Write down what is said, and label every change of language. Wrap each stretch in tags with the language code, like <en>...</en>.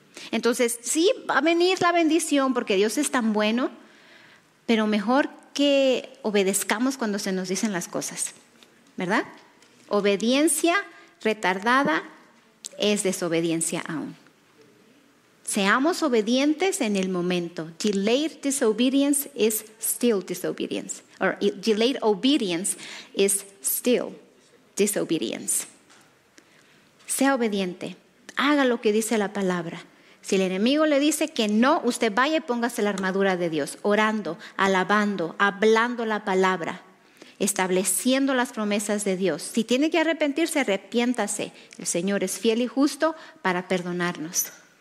<es>Entonces, sí va a venir la bendición porque Dios es tan bueno, pero mejor que obedezcamos cuando se nos dicen las cosas, ¿verdad? Obediencia retardada es desobediencia aún. Seamos obedientes en el momento.</es> <en>Delayed disobedience is still disobedience. Or delayed obedience is still disobedience.</en> <es>Sea obediente. Haga lo que dice la palabra. Si el enemigo le dice que no, usted vaya y póngase la armadura de Dios, orando, alabando, hablando la palabra, estableciendo las promesas de Dios. Si tiene que arrepentirse, arrepiéntase. El Señor es fiel y justo para perdonarnos.</es>